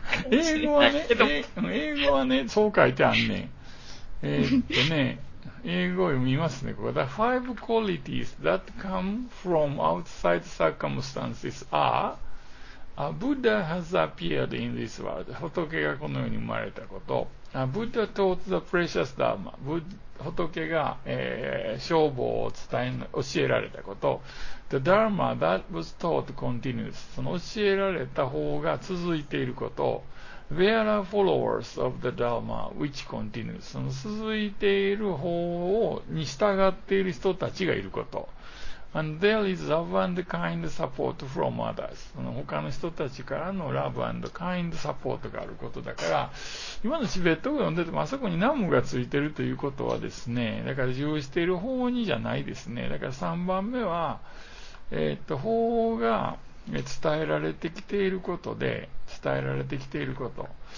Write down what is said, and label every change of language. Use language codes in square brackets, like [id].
[ja] 英語はね、英語はね、そう書いてあんねん。ね、英語を読みますね。 [en] ここ The five qualities that come from outside circumstances are A Buddha has appeared in this world. [ja] 仏がこの世に生まれたこと。 [en] A Buddha taught the precious Dharma. [ja] 仏が、正法を教えられたこと。 [en] The Dharma that was taught continues. [ja] その教えられた方が続いていること。 [en] There are followers of the Dharma which continues. [ja] その続いている方に従っている人たちがいること。 [en] And there is love and kind support from others. [ja] その他の人たちからの [en] love and kind support [ja] があることだから、今のチベット語読んでてもあそこにナムがついてるということはですね、だから従事している方にじゃないですね。だから3番目は、法が伝えられてきていることで、伝えられてきていること。